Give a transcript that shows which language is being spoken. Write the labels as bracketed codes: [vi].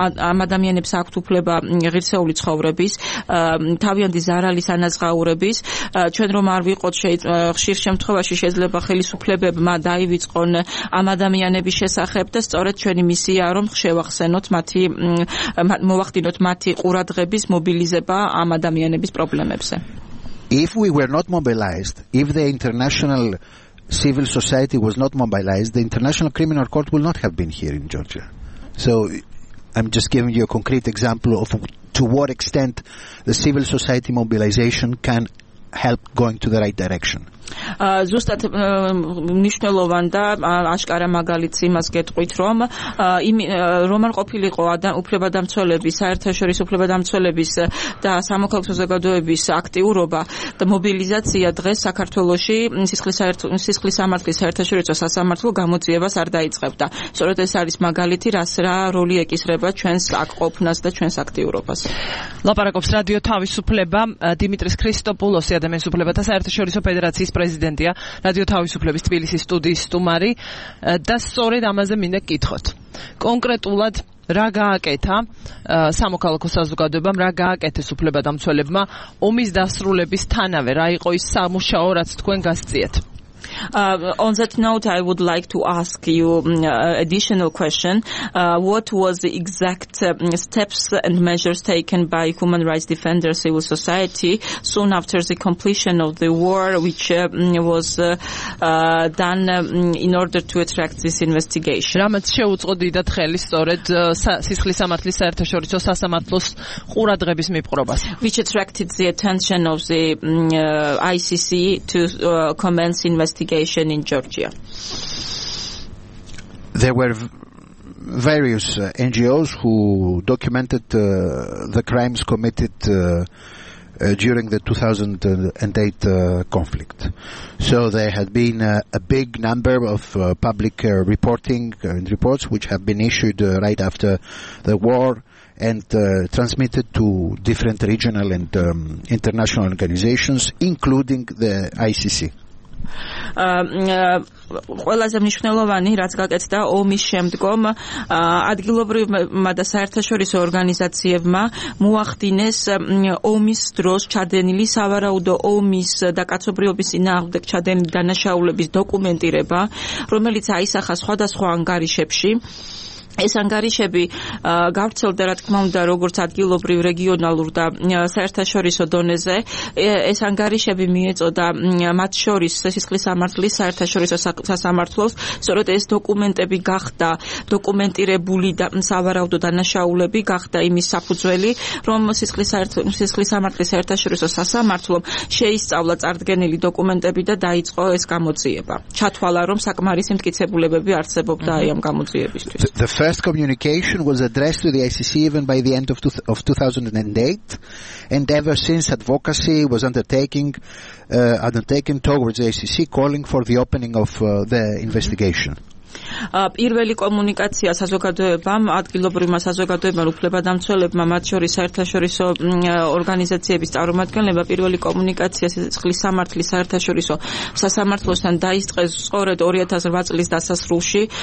[ka] ამ ადამიანებს აქვთ უფლება ღირსეული ცხოვრების თავიანთი ზარალის ანაზღაურების ჩვენ რომ არ ვიყოთ ხშირ შემთხვევაში შეიძლება ხელისუფლებებმა დაივიწყონ ამ ადამიანების შესახებ და სწორედ ჩვენი მისიაა რომ შევახსენოთ მათი მოვახდინოთ მათი ყურადღების მობილიზება ამ ადამიანების პრობლემებზე. [en] If we were not mobilized, if the international civil society was not mobilized, the International Criminal Court would not have been here in Georgia. So I'm just giving you a concrete example of to what extent the civil society mobilization can help going to the right direction. [ka] Ზუსტად მნიშვნელოვანი და აშკარა მაგალითი იმას გეტყვით რომ რომ არ ყოფილიყო უფლებადამცველების საერთაშორისო უფლებადამცველების და სამოქალაქო საზოგადოების აქტიურობა და მობილიზაცია დღეს საქართველოში სისხლის სამართლის საერთაშორისო სასამართლო გამოძიებას არ დაიწყებდა. სწორედ ეს არის მაგალითი რა როლი ეკისრება ჩვენს აქ ყოფნას და ჩვენს აქტიურობას. ლაპარაკობს რადიო თავისუფლება დიმიტრის ქრისტოპულოსი ადამიანის უფლებათა საერთაშორისო ფედერაცია პრეზიდენტია რადიო თავისუფლების თბილისის სტუდიის სტუმარი და სწორედ ამაზე მინდა გკითხოთ კონკრეტულად რა გააკეთა სამოქალაქო საზოგადოებამ რა გააკეთეს უფლებადამცველებმა ომის დასრულებისთანავე რა იყო ის სამუშაო რაც თქვენ გასწიეთ. [en] On that note, I would like to ask you additional question. What was the exact steps and measures taken by Human Rights Defenders Civil Society soon after the completion of the war, which was done in order to attract this investigation? Ramat Sheutzodidat Helis, or Sisli Samatli Sertashori, so Sasamatlos, Hura Drebis Miprobas. Which attracted the attention of the ICC to commence investigation. Investigation in Georgia. There were various NGOs who documented the crimes committed during the 2008 conflict. So there had been a big number of public reporting and reports which have been issued right after the war and transmitted to different regional and international organizations, including the ICC. [ka] ყველაზე მნიშვნელოვანი რაც გაკეთდა ომის შემდგომ ადგილობრივმა და საერთაშორისო ორგანიზაციებმა მოახდინეს ომის დროს ჩადენილი სავარაუდო ომის და კაცობრიობის წინააღმდეგ ჩადენილი დანაშაულების დოკუმენტირება რომელიც აისახა სხვადასხვა ანგარიშებში. ეს ანგარიშები გავრცელდა რა თქმა უნდა როგორც ადგილობრივ რეგიონალურ და საერთაშორისო დონეზე. ეს ანგარიშები მიეწოდა მათ შორის სისხლის სამართლის საერთაშორისო სასამართლოს. სწორედ ეს დოკუმენტები გახდა დოკუმენტირებული და სავარაუდო დანაშაულები გახდა იმის საფუძველი რომ სისხლის სამართლის საერთაშორისო სასამართლომ შეისწავლა წარდგენილი დოკუმენტები და დაიწყო ეს გამოძიება. ჩათვალა რომ საკმარისი მტკიცებულებები არსებობდა აი ამ გამოძიებისთვის. [en] The first communication was addressed to the ICC even by the end of 2008, and ever since advocacy was undertaken towards the ICC calling for the opening of the investigation. [ka] Პირველი კომუნიკაცია საზოგადოებამ, ადგილობრივმა საზოგადოებამ, უფლებადამცველებმა, მათ შორის საერთაშორისო ორგანიზაციების წარმომადგენლებმა პირველი კომუნიკაცია სისხლის სამართლის საერთაშორისო სასამართლოსთან დაიწყეს სწორედ 2008 წლის დასასრულში.